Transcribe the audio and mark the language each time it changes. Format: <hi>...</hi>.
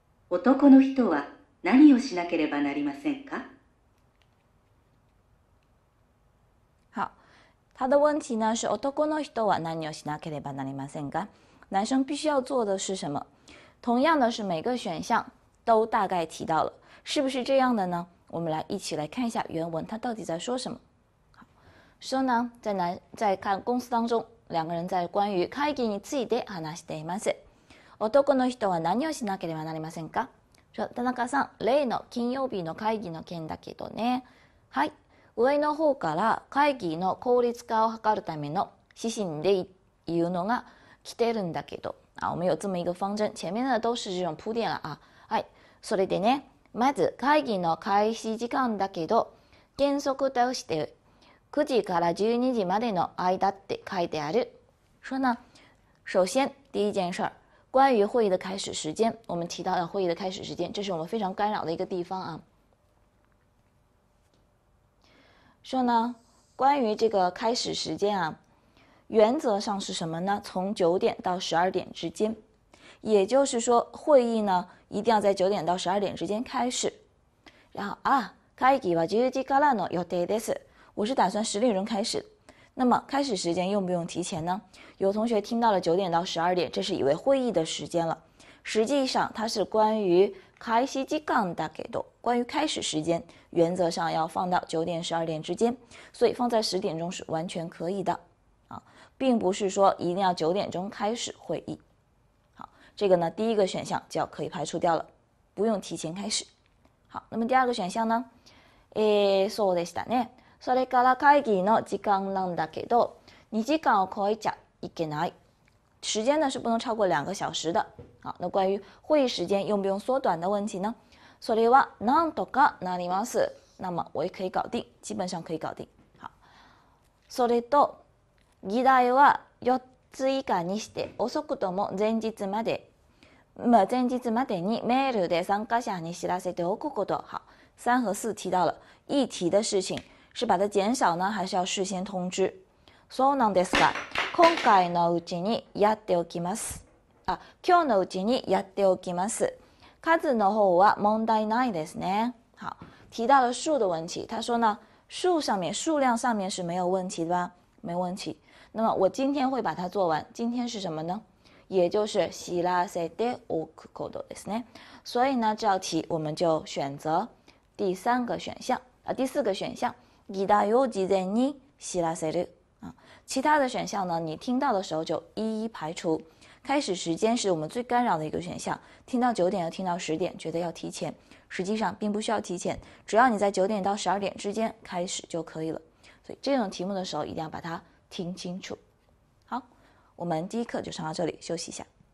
<ja>男の人は何をしなければなりませんか？</ja> <zh>他的问题呢是</zh> <ja>男の人は何をしなければなりませんか？</ja> <zh>男生必须要做的是什么？同样的是每个选项都大概提到了，是不是这样的呢？我们来一起来看一下原文，他到底在说什么。说呢，在看公司当中，两个人在关于</zh> <ja>会議について話しています。男の人は何をしなければなりませんか？说田中さん、例の金曜日の会議の件だけどね。はい。上の方から会議の効率化を図るための指針で言うのが来てるんだけど、</ja> <zh>啊，我们有这么一个方针，前面的都是这种铺垫了啊。</zh> <ja>はい、それでね、まず会議の開始時間だけど、原則として9時から12時までの間って書いてある。</ja> <zh>说呢，首先第一件事儿，关于会议的开始时间，我们提到了会议的开始时间，这是我们非常干扰的一个地方啊。说呢，关于这个开始时间啊，原则上是什么呢？从9点到12点之间，也就是说会议呢一定要在9点到12点之间开始。然后啊，</zh> <ja>会議は10時からの予定です。</ja> <zh>我是打算10点钟开始。那么开始时间用不用提前呢？有同学听到了9点到12点，这是以为会议的时间了。实际上它是关于开始</zh> <ja>時間だけど，</ja> <zh>关于开始时间，原则上要放到9点12点之间，所以放在10点钟是完全可以的，啊，并不是说一定要9点钟开始会议。好，这个呢，第一个选项就要可以排除掉了，不用提前开始。好，那么第二个选项呢？</zh> <ja>そうでしたね。それから会議の時間なんだけど、2時間を超えちゃいけない。</ja> <zh>时间呢是不能超过2小时的。好，那关于会议时间用不用缩短的问题呢？</zh> <ja>それはなんとかなります。</ja> <zh>那么我也可以搞定，基本上可以搞定。</zh> <ja>好，それと議題は4つ以下にして遅くとも前日まで、前日までにメールで参加者に知らせておくこと。</ja> <zh>好，三和四提到了议题的事情是把它减少呢，还是要事先通知？</zh> <ja>そうなんですか。今回のうちにやっておきます。あ、今日のうちにやっておきます。数の方は問題ないですね。</ja> <zh>好，提到了数的问题。他说呢，数量上面是没有问题的吧？没问题。那么我今天会把它做完。今天是什么呢？也就是</zh> <ja>知らせておくことですね。</ja> <zh>所以呢，这道题我们就选择第三个选项啊，第四个选项。</zh> <ja>議題を事前に知らせる。</ja> <zh>其他的选项呢，你听到的时候就一一排除。开始时间是我们最干扰的一个选项，听到9点又听到10点，觉得要提前，实际上并不需要提前，只要你在9点到12点之间开始就可以了。所以这种题目的时候一定要把它听清楚。好，我们第一课就上到这里，休息一下。</zh>